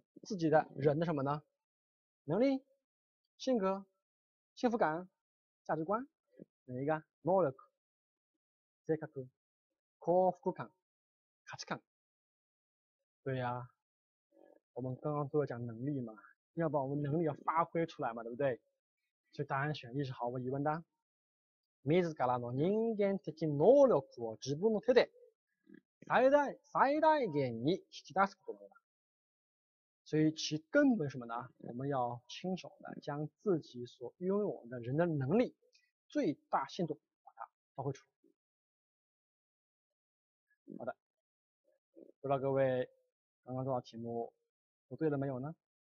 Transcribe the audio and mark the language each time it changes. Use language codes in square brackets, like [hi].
[zh] 自己的人的什么呢？能力、性格、幸福感、价值观，哪一个？能力、性格、幸福感、价值观。对呀，我们刚刚都在讲能力嘛，要把我们能力要发挥出来嘛，对不对？所以答案选 E 是毫无疑问的。 [ja] 自らの人間的能力を自分の手で最大限に引き出すことだ。 [zh] 所以其根本什么呢？我们要亲手的将自己所拥有的人的能力最大限度把它发挥出来。好的，不知道各位刚刚做到题目都对了没有呢？